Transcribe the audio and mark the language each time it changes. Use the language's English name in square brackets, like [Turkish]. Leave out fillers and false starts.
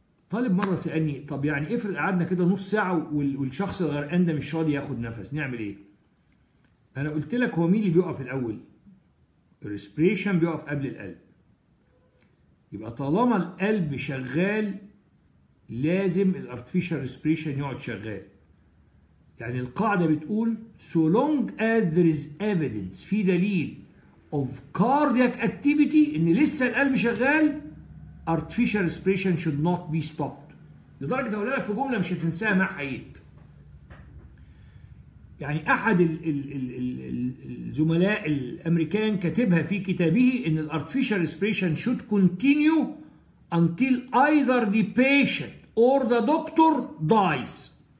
[Arabic] طالب مره سالني طب يعني افرض قعدنا كده نص ساعه والشخص الغرقان ده مش راضي ياخد نفس نعمل ايه؟ انا قلت لك هو مين اللي بيقف الاول؟ الريسبيريشن بيقف قبل القلب. يبقى طالما القلب شغال لازم الارتفيشال ريسبيريشن يقعد شغال. يعني القاعدة بتقول [English] so long as there is evidence [Arabic] في دليل [English] of cardiac activity [Arabic] ان لسه القلب شغال [English] artificial respiration should not be stopped. [Arabic] لدرجة اقول لك في جملة مش هتنساها مع حيات. يعني احد الزملاء الامريكان كتبها في كتابه ان [English] artificial respiration should continue until either the patient or the doctor dies.